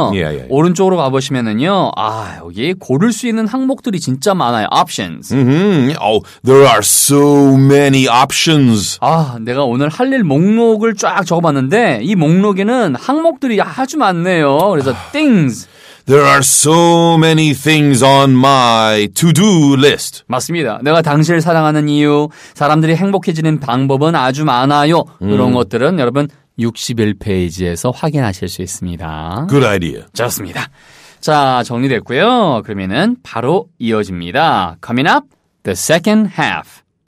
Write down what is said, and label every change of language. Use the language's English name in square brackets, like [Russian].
[English] Yeah, yeah, yeah. [Korean] 오른쪽으로 가보시면은요. 아, 여기 고를 수 있는 항목들이 진짜 많아요. [English] Options. Mm-hmm. Oh, there are so many options. [Korean] 아, 내가 오늘 할 일 목록을 쫙 적어봤는데 이 목록에는 항목들이 아주 많네요. 그래서 things. [English] There are so many things on my to-do list. [Korean] 맞습니다. 내가 당신을 사랑하는 이유, 사람들이 행복해지는 방법은 아주 많아요. 이런 것들은 여러분 61페이지에서 확인하실 수 있습니다. [English] Good idea. [Korean] 좋습니다. 자, 정리됐고요. 그러면은 바로 이어집니다. [English] Coming up, the second half.